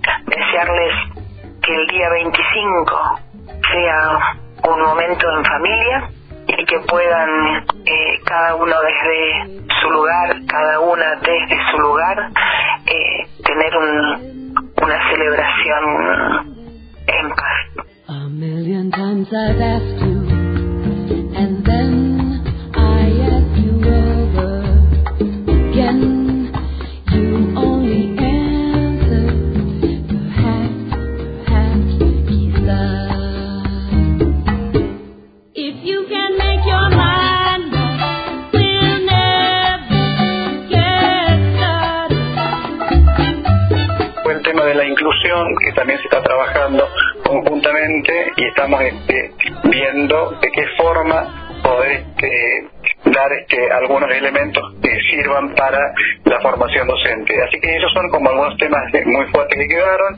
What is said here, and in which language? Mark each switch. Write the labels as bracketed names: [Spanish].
[Spanish] Desearles que el día 25 sea un momento en familia y que puedan cada uno desde su lugar, cada una desde su lugar, tener una celebración en paz. [English] A million times I've asked you, and then I ask you over again. You only answer, perhaps, quizás. If you can make your mind up, we'll never get started. [Spanish] Buen tema de la inclusión, que también se está trabajando conjuntamente y estamos viendo de qué forma poder dar algunos elementos que sirvan para la formación docente. Así que esos son como algunos temas muy fuertes que quedaron.